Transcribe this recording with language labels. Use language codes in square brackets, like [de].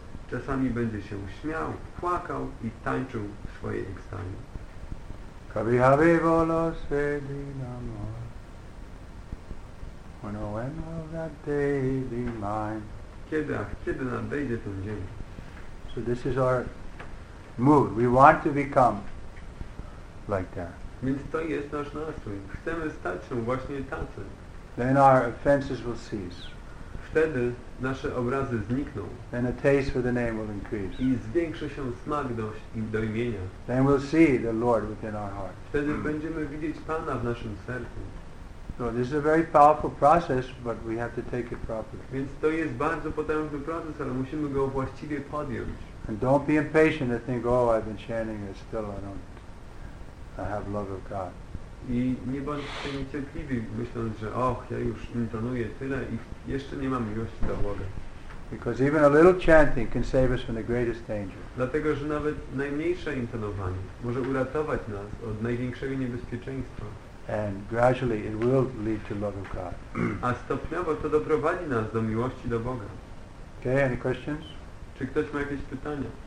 [pl] Czasami będzie się śmiał, płakał i tańczył w swojej ekstazie. [bn] Kabi habi volo se di namor. [en] When or when will that day be mine? [pl] Kiedy nadejdzie ten dzień? [en] So this is our mood. We want to become like that. [pl] Więc to jest nasz nastrój. Chcemy stać się właśnie tacy. [en] Then our offenses will cease. [pl] Wtedy nasze obrazy znikną. [en] Then a taste for the name will increase. [pl] I zwiększy się smak do imienia. [en] Then we'll see the Lord within our heart. [pl] Wtedy będziemy widzieć Pana w naszym sercu. [en] So this is a very powerful process, but we have to take it properly. [pl] Więc to jest bardzo potężny proces, ale musimy go właściwie podjąć. [en] And don't be impatient and think, oh, I've been chanting and still I have love of God. [pl] I nie bądźcie niecierpliwi, myśląc, że och, ja już intonuję tyle i jeszcze nie mam miłości do Boga. [en] Because even a little chanting can save us from the greatest danger. [pl] Dlatego, że nawet najmniejsze intonowanie może uratować nas od największego niebezpieczeństwa. [en] And gradually it will lead to love of God. [pl] A stopniowo to doprowadzi nas do miłości do Boga. [en] Okay, any questions? [pl] Czy ktoś ma jakieś pytania?